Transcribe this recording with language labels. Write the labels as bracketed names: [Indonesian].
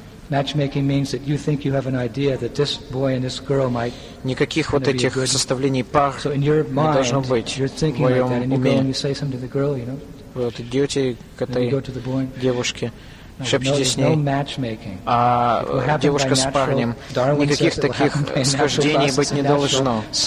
[English] Matchmaking means that you think you have an idea that this boy and this girl might. [Russian] Никаких вот этих составлений пар не должно быть. [English] You're thinking like that, and you go and you say something to the girl, you know. [Russian] Вы вот идете к этой девушке, шепчете с ней, а девушка с парнем. Никаких таких схождений быть не должно.